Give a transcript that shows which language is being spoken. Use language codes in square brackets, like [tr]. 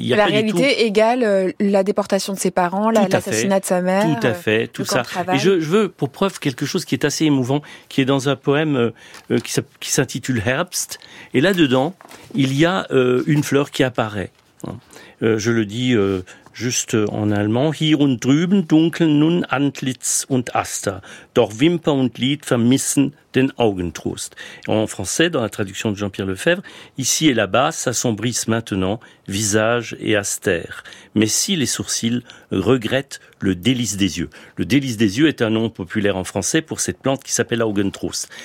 [fr] la réalité égale la déportation de ses parents, l'assassinat de sa mère, tout à fait, tout ça. Et je veux pour preuve quelque chose qui est assez émouvant, qui est dans un poème qui s'intitule Herbst. Et là dedans, il y a une fleur qui apparaît. Je le dis juste en allemand. [de] Hier und drüben dunkeln nun Antlitz und Aster. Doch Wimper und Lied vermissen den Augentrost. [fr] En français, dans la traduction de Jean-Pierre Lefebvre, ici et là-bas s'assombrissent maintenant visage et aster. Mais si les sourcils regrettent le délice des yeux. Le délice des yeux est un nom populaire en français pour cette plante qui s'appelle Augentrost.